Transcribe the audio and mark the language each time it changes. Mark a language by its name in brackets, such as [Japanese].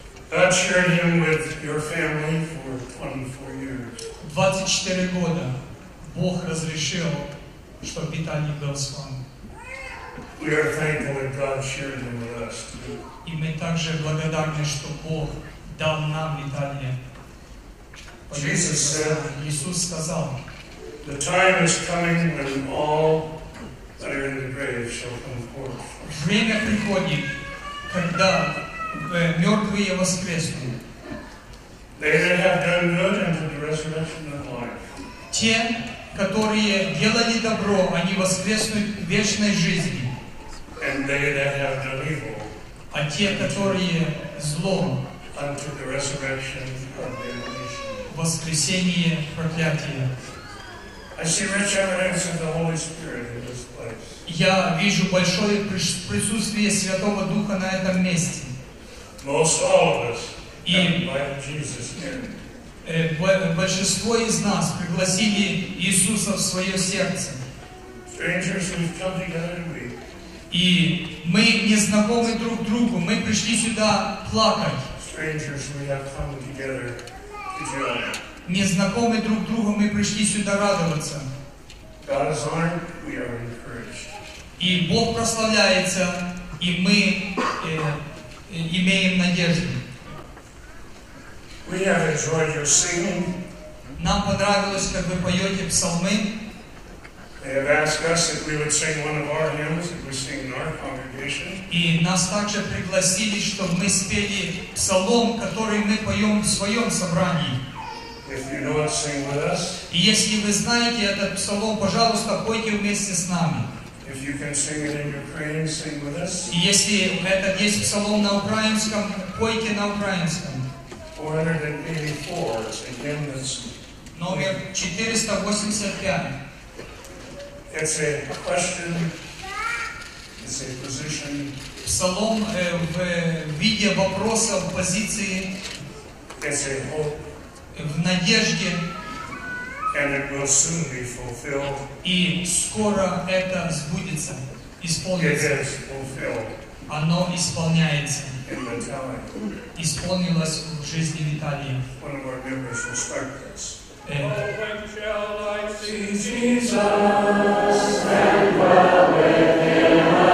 [English] God shared him with your family for 24 years. [Russian] 24 года Бог разрешил, чтобы Виталий был с вами. [English] We are thankful that God shared him with us too. [Russian] И мы также благодарны, что Бог дал нам Виталия. [English] Jesus said, [Russian] Иисус сказал, [English] the time is coming when all that are in the grave shall come forth. [Russian] Время приходит, когда мертвые воскреснут. [English] They that have done good unto the resurrection of life. [Russian] Те, которые делали добро, они воскреснут к вечной жизни. [English] And they that have done evil. [Russian] А те, которые зло, [English] unto the resurrection of damnation. [Russian] Воскресение проклятия. [English] I see rich evidence of the Holy Spirit in this place. [Russian] Я вижу большое присутствие Святого Духа на этом месте. [English] Most all of us invited Jesus in. [Russian] Большинство из нас пригласили Иисуса в свое сердце. [English] Strangers, we've come together to weep. [Russian] И мы не знакомы друг другу. Мы пришли сюда плакать. [English] Strangers, we have come together to joy. [Russian] Не знакомы друг другу. Мы пришли сюда радоваться. [English] God is honored. We are encouraged. [Russian] И Бог прославляется, и мы имеем надежду. [English] We have enjoyed your singing. [Russian] Нам понравилось, как вы поете псалмы. [English] They have asked us if we would sing one of our hymns if we sing in our congregation. [Russian] И нас также пригласили, чтобы мы спели псалом, который мы поем в своем собрании. [English] If you know it, sing with us. [Russian] И если вы знаете этот псалом, пожалуйста, пойте вместе с нами. [English] If you can sing it in Ukrainian, sing with us. [Russian] Если это есть псалом на украинском, пойте на украинском. [English] 484, it's a hymn that's... [Russian] Номер 485. [English] It's a question, it's a position. [Russian] Псалом в виде вопроса, в позиции... [English] It's a hope. [Russian] В надежде. [English] And it will soon be fulfilled. [Russian] И скоро это сбудется, исполнится. [English] It is fulfilled. [Russian] Оно исполняется. [English] In Vitalia. [Russian] Исполнилось в жизни Виталия. [English] One of our members will start this. And, oh, when shall I see Jesus and dwell with Him